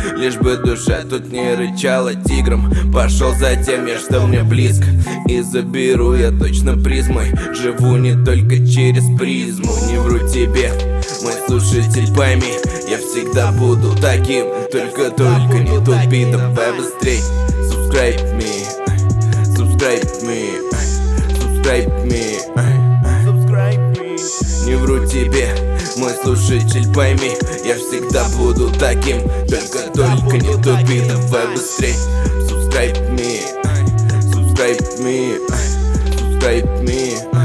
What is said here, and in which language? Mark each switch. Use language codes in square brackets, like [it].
[ru] Лишь бы душа тут не рычала тигром, пошел за тем я, что мне близко. И заберу я точно приз мой, живу не только через призму. Не вру тебе, мой слушатель, пойми, я всегда буду таким. Только-только не тупи, давай быстрей. [en] Subscribe me, subscribe me, subscribe me, subscribe me. [ru] Не вру тебе, мой слушатель, пойми, я всегда буду таким. Только-только не тупи, давай быстрей. [en] Subscribe me, subscribe me, subscribe me.